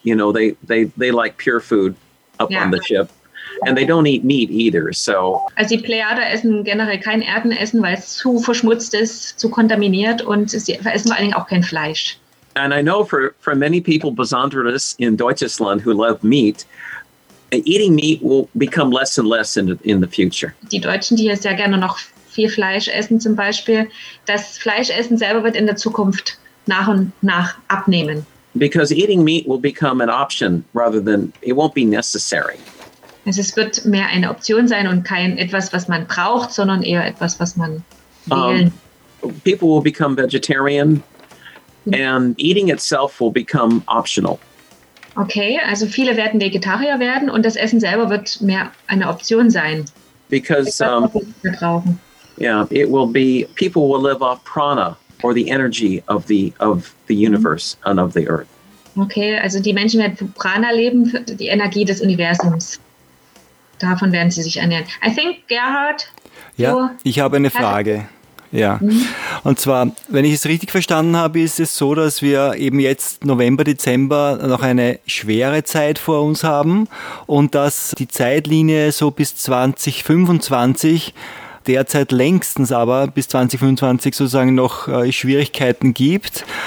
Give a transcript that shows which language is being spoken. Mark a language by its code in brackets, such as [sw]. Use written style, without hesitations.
[en] You know, they like pure food up on the ship. And they don't eat meat either, so. [de] Also die Plejader essen generell kein Erdenessen, weil es zu verschmutzt ist, zu kontaminiert und sie essen vor allen Dingen auch kein Fleisch. [en] And I know for many people, [de] besonders in Deutschland, [en] who love meat, eating meat will become less and less in the future. [de] Die Deutschen, die ja sehr gerne noch viel Fleisch essen zum Beispiel, das Fleischessen selber wird in der Zukunft nach und nach abnehmen. [en] Because eating meat will become an option rather than, it won't be necessary. [de] Also es wird mehr eine Option sein und kein etwas, was man braucht, sondern eher etwas, was man wählen. [en] People will become vegetarian and eating itself will become optional. [de] Okay, also viele werden Vegetarier werden und das Essen selber wird mehr eine Option sein. [en] Because it will be, people will live off prana or the energy of the universe and of the earth. [de] Okay, also die Menschen werden von Prana leben, die Energie des Universums. Davon werden sie sich ernähren. [en] I think Gerhard. [de] Ja, ich habe eine Frage. Ja, und zwar, wenn ich es richtig verstanden habe, ist es so, dass wir eben jetzt November, Dezember noch eine schwere Zeit vor uns haben und dass die Zeitlinie so bis 2025, derzeit längstens aber bis 2025 sozusagen noch Schwierigkeiten gibt.